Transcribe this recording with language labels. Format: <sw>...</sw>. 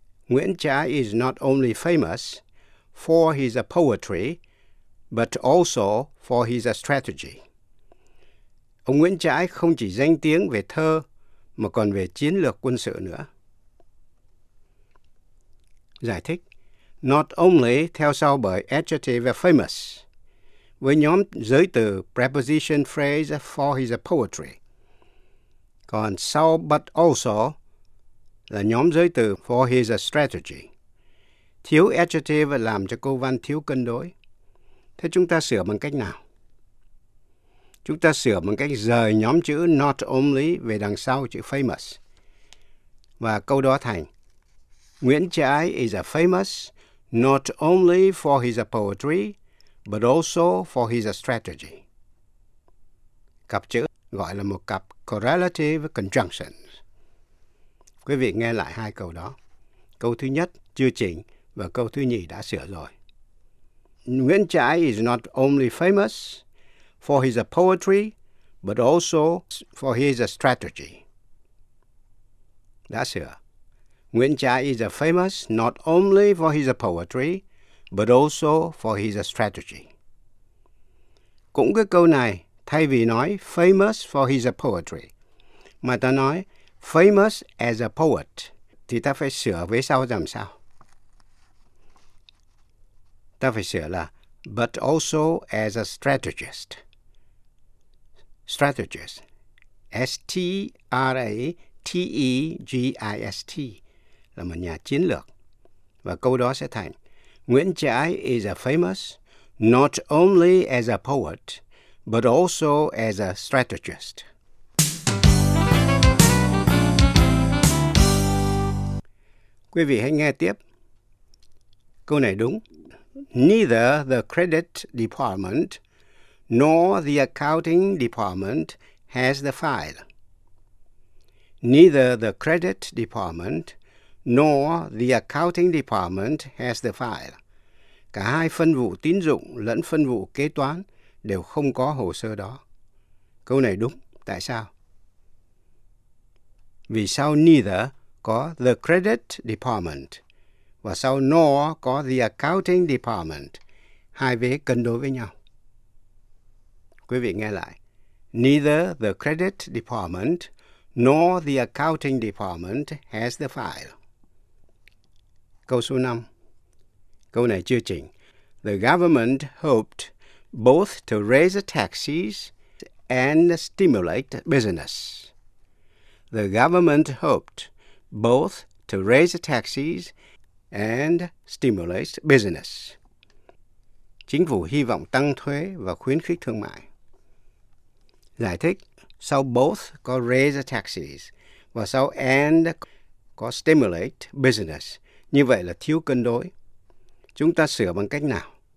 <en>Nguyễn Trãi is not only famous for his poetry, but also for his strategy.</en> <vi>Ông Nguyễn Trãi không chỉ danh tiếng về thơ, mà còn về chiến lược quân sự nữa. Giải thích, not only theo sau bởi adjective famous, với nhóm giới từ preposition phrase</vi> <en>for his poetry.</en> <vi>Còn sau but also là nhóm giới từ</vi> <en>for his strategy.</en> <vi>Thiếu adjective làm cho câu văn thiếu cân đối. Thế chúng ta sửa bằng cách nào? Chúng ta sửa bằng cách rời nhóm chữ not only về đằng sau chữ famous. Và câu đó thành,</vi> <en>Nguyễn Trãi is a famous not only for his poetry, but also for his strategy.</en> <vi>Cặp chữ gọi là một cặp correlative conjunctions. Quý vị nghe lại hai câu đó. Câu thứ nhất chưa chỉnh và câu thứ nhì đã sửa rồi.</vi> <en>Nguyễn Trãi is not only famous for his poetry, but also for his strategy.</en> <vi>Đã sửa.</vi> <en>Nguyễn Trãi is famous not only for his poetry, but also for his strategy.</en> <vi>Cũng cái câu này, thay vì nói</vi> <en>famous for his poetry,</en> <vi>mà ta nói</vi> <en>famous as a poet,</en> <vi>thì ta phải sửa vế sau làm sao? Ta phải sửa là</vi> <en>but also as a strategist. Strategist.</en> <vi>STRATEGIST là một nhà chiến lược. Và câu đó sẽ thành</vi> <en>Nguyễn Trãi is a famous not only as a poet, but also as a strategist.</en> <vi>Quý vị hãy nghe tiếp. Câu này đúng.</vi> <en>Neither the credit department nor the accounting department has the file. Neither the credit department nor the accounting department has the file.</en> <vi>Cả hai phân vụ tín dụng lẫn phân vụ kế toán đều không có hồ sơ đó. Câu này đúng. Tại sao? Vì sau neither có</vi> <en>the credit department</en> <vi>và sau nor có</vi> <en>the accounting department,</en> <vi>hai vế cân đối với nhau. Quý vị nghe lại.</vi> <en>Neither the credit department nor the accounting department has the file.</en> <vi>Câu số 5. Câu này chưa chỉnh.</vi> <en>The government hoped both to raise taxes and stimulate business. The government hoped both to raise taxes and stimulate business.</en> <vi>Chính phủ hy vọng tăng thuế và khuyến khích thương mại. Giải thích, sau both có</vi> <en>raise taxes</en> <vi>và sau and có</vi> <en>stimulate business.</en> <vi>Như vậy là thiếu cân đối. Chúng ta sửa bằng cách nào?</vi>